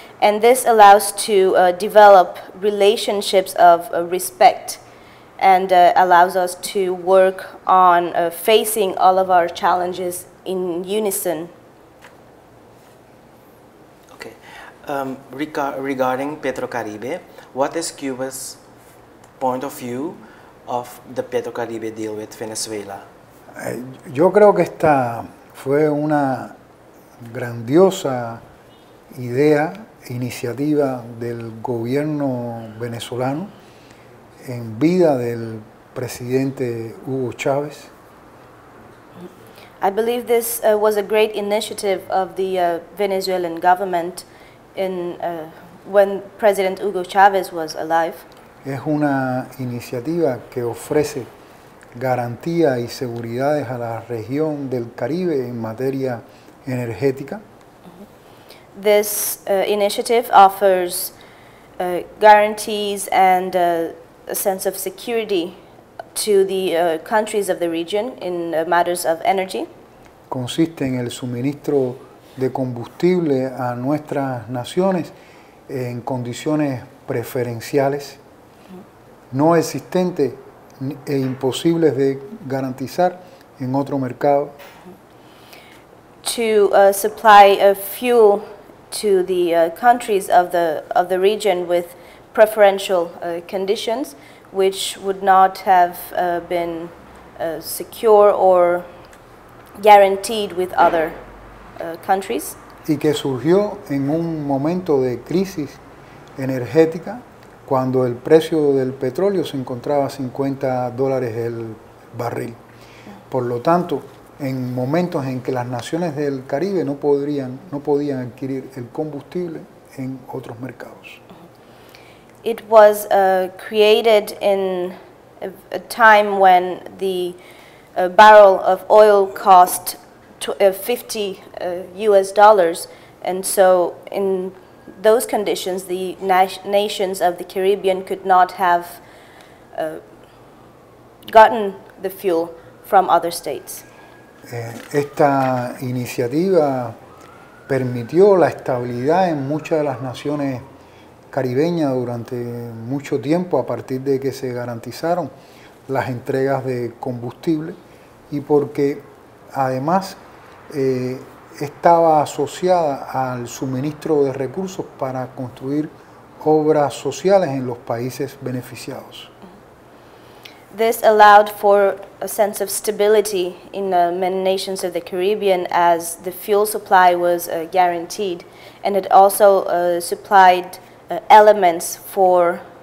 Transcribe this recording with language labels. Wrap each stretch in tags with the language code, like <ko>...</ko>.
<en>And this allows to develop relationships of respect and allows us to work on facing all of our challenges in unison. Okay. Regarding Petrocaribe, what is Cuba's point of view of the Petrocaribe deal with Venezuela?</en> <es>Yo creo que esta fue una grandiosa idea, iniciativa del gobierno venezolano en vida del presidente Hugo Chávez.</es> <en>I believe this was a great initiative of the Venezuelan government in when President Hugo Chávez was alive.</en> <es>Es una iniciativa que ofrece garantía y seguridades a la región del Caribe en materia energética.</es> <en>This initiative offers guarantees and a sense of security to the countries of the region in matters of energy.</en> <es>Consiste en el suministro de combustible a nuestras naciones en condiciones preferenciales, no existentes e imposibles de garantizar en otro mercado.</es> <en>To supply a fuel to the countries of the region with preferential conditions, which would not have been secure or guaranteed with other countries.</en> <es>Y que surgió en un momento de crisis energética, cuando el precio del petróleo se encontraba a $50 el barril. Por lo tanto, en momentos en que las naciones del Caribe no podían adquirir el combustible en otros mercados.</es> <en>It was created in a time when the barrel of oil cost $50, and so in those conditions, the nations of the Caribbean could not have gotten the fuel from other states.</en> <es>Esta iniciativa permitió la estabilidad en muchas de las naciones caribeñas durante mucho tiempo a partir de que se garantizaron las entregas de combustible y porque además estaba asociada al suministro de recursos para construir obras sociales en los países beneficiados.</es> <en>This allowed for a sense of stability in many nations of the Caribbean as the fuel supply was guaranteed, and it also supplied elements for</en>